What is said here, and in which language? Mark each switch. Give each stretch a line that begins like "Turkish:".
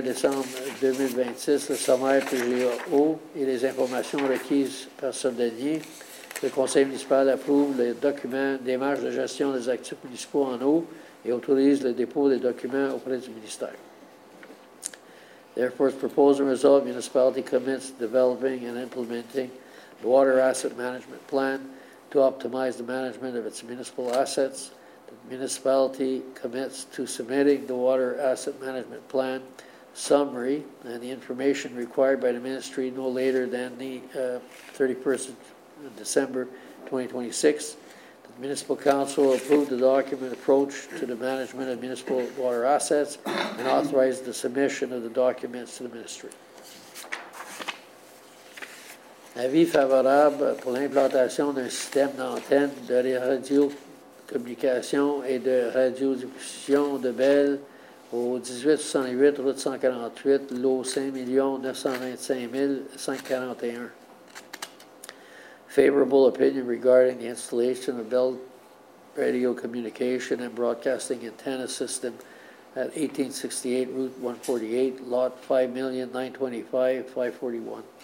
French: décembre 2026, le sommaire PGA eau et les informations requises par ce dernier. Le conseil municipal approuve les documents démarches de gestion des actifs municipaux en eau et autorise le dépôt des documents auprès du ministère.
English: Therefore, it's proposed and resolved, municipality commits developing and implementing the water asset management plan to optimize the management of its municipal assets. The municipality commits to submitting the water asset management plan summary and the information required by the ministry no later than the 31st of December 2026. The Municipal Council approved the document approach to the management of municipal water assets and authorized the submission of the documents to the ministry.
French: Avis favorable pour l'implantation d'un système d'antenne de radiocommunication et de radiodiffusion de Bell au 1868 route 148, lot 5,925,141.
English: Favorable opinion regarding the installation of Bell radio communication and broadcasting antenna system at 1868 Route 148, lot 5,925,541.